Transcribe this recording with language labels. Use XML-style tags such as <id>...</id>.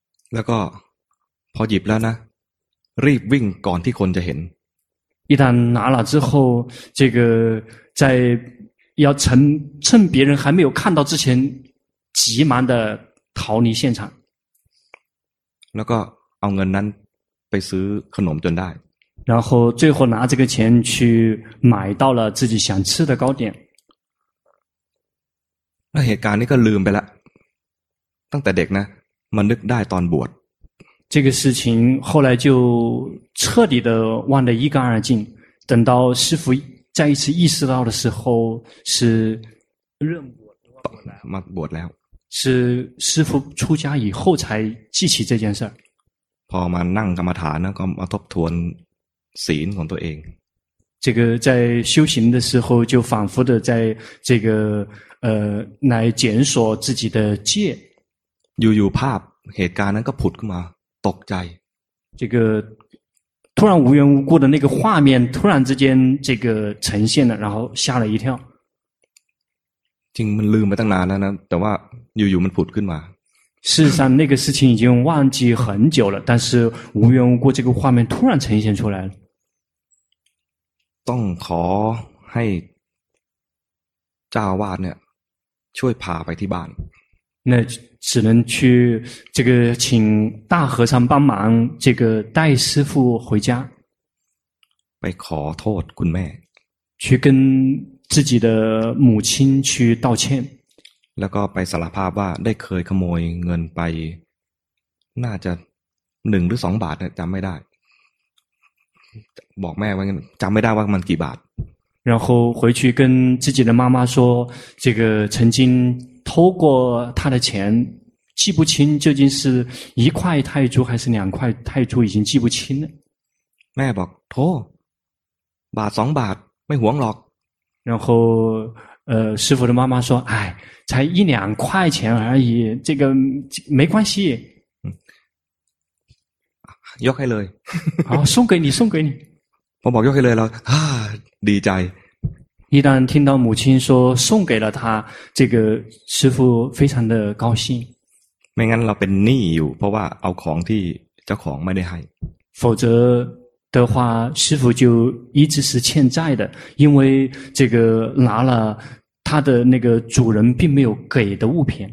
<th>แล้วก็พอหยิบแล้วนะรีบวิ่งก่อนที่คนจะเห็น</th> <zh>一旦拿了之后这个在要趁别人还没有看到之前急忙的逃离现场</zh> <th>แล้วก็เอาเงินนั้นไปซื้อขนมจนได้</th> <zh>然后最后拿这个钱去买到了自己想吃的糕点</zh> <th>เหตุการณ์นี้ก็ลืมไปละตั้งแต่เด็กนะมันนึกได้ตอนบวช</th> <zh>这个事情后来就彻底的忘得一干二净等到师父再一次意识到的时候是</zh> <th>认บวชมาบวชแล้ว</th> <zh>是师父出家以后才记起这件事</zh> <th>พอมานั่งกรรมฐานก็มาทบทวนศีลของตัวเอง</th> <zh>这个在修行的时候就反复的在这个来检索自己的戒</zh> <th>อยู่ๆภาพเหตุการณ์นั้นก็ผุดขึ้นมาตกใจ</th> <zh>这个突然无缘无故的那个画面突然之间这个呈现了然后吓了一跳</zh> <th>จริงมันลืมไปตั้งนานแล้วนะแต่ว่าอยู่ๆมันผุดขึ้นมา</th> <zh>事实上那个事情已经忘记很久了但是无缘无故这个画面突然呈现出来了</zh> <th>ต้องขอให้เจ้าอาวาสเนี่ยช่วยพาไปที่บ้าน</th> <zh>那只能去这个请大和尚帮忙这个带师父回家。</zh> <th>ไปขอโทษคุณแม่</th> <zh>去跟自己的母亲去道歉。</zh> <th>แล้วก็ไปสารภาพว่าได้เคยขโมยเงินไปน่าจะ1หรือ2บาทจำไม่ได้บอกแม่ว่าจำไม่ได้ว่ามันกี่บาท</th> <zh>然后回去跟自己的妈妈说这个曾经偷过他的钱记不清究竟是一块泰铢还是两块泰铢已经记不清了</zh> <th>แม่บอกโทษบาท2บาทไม่หวงหรอก</th> <zh>然后师父的妈妈说哎才一两块钱而已这个没关系</zh> <th>ยกให้เลย</th> <zh>好送给你送给你</zh> <th>ผมบอกยกให้เลยแล้วดีใจ</th> <zh>一旦听到母亲说送给了他这个师父非常的高兴</zh> <th>ไม่งั้นเราเป็นหนี้อยู่เพราะว่าเอาของที่เจ้าของไม่ได้ให้</th> <zh>否则的话师父就一直是欠债的因为这个拿了他的那个主人并没有给的物品</zh>